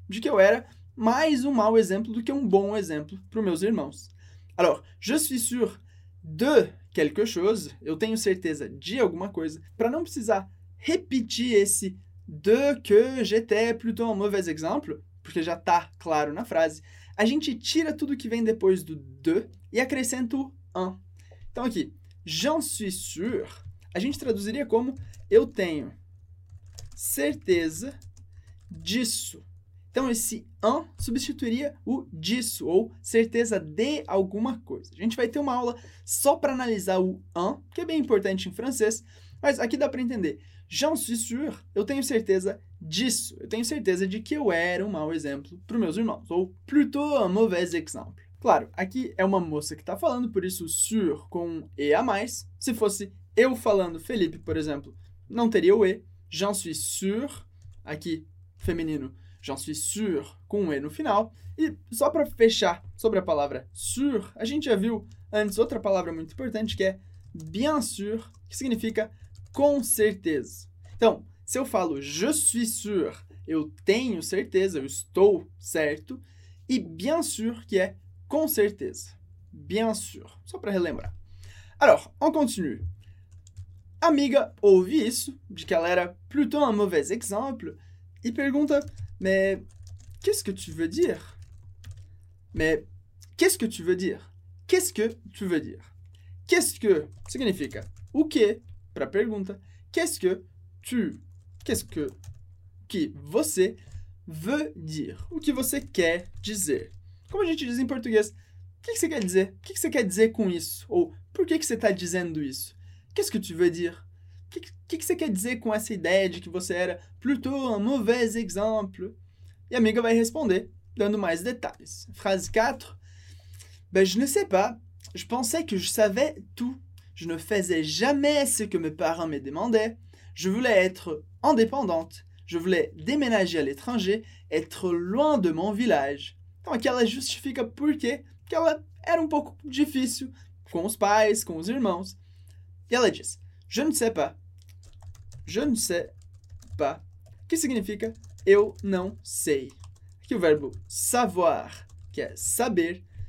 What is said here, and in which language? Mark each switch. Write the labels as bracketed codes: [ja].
[pt] De que eu era mais um mau exemplo do que um bom exemplo para os meus irmãos. [fr] Alors, je suis sûr de quelque chose, [pt] eu tenho certeza de alguma coisa, para não precisar repetir esse de que [fr] j'étais plutôt un mauvais exemple, [pt] porque já está claro na frase, a gente tira tudo que vem depois do de e acrescenta o un. Então aqui, [fr] j'en suis sûr, [pt] a gente traduziria como eu tenho certeza disso. Então esse un substituiria o disso, ou certeza de alguma coisa. A gente vai ter uma aula só para analisar o un, que é bem importante em francês, mas aqui dá para entender. [fr] J'en suis sûr, [pt] eu tenho certeza disso. Eu tenho certeza de que eu era um mau exemplo para os meus irmãos, ou [fr] plutôt un mauvais exemple. [pt] Claro, aqui é uma moça que está falando, por isso sûr com um e a mais. Se fosse eu falando Felipe, por exemplo, não teria o e. [fr] J'en suis sûr, [pt] aqui feminino, [fr] j'en suis sûr [pt] com um e no final. E só para fechar sobre a palavra sûr, a gente já viu antes outra palavra muito importante que é [fr] bien sûr, [pt] que significa com certeza. Então, se eu falo [fr] je suis sûr, [pt] eu tenho certeza, eu estou certo, e [fr] bien sûr, [pt] que é com certeza. [fr] Bien sûr. [pt] Só para relembrar. [fr] Alors, on continue. [pt] A amiga ouve isso, de que ela era [fr] plutôt un mauvais exemple, [pt] e pergunta, [fr] mais qu'est-ce que tu veux dire? Mais qu'est-ce que tu veux dire? Qu'est-ce que tu veux dire? [pt] Qu'est-ce que significa o quê? Para a pergunta, [fr] qu'est-ce que tu, qu'est-ce que [pt] você [fr] veut dire? [pt] O que você quer dizer? Como a gente diz em português, que você quer dizer? O que você quer dizer com isso? Ou por que você está dizendo isso? [fr] Qu'est-ce que tu veux dire? [pt] Que você quer dizer com essa ideia de que você era [fr] plutôt un mauvais exemple? [pt] E a amiga vai responder, dando mais detalhes. [fr] Phrase 4. Ben, je ne sais pas. Je pensais que je savais tout. Je ne faisais jamais ce que mes parents me demandaient. Je voulais être indépendante. Je voulais déménager à l'étranger, être loin de mon village. [pt] Então, aqui ela justifica por quê? Porque ela era um pouco difícil com os pais, com os irmãos. E ela diz, [fr] je ne sais pas. Je ne sais pas. [pt] Que significa eu não sei. Aqui o verbo savoir, que é saber.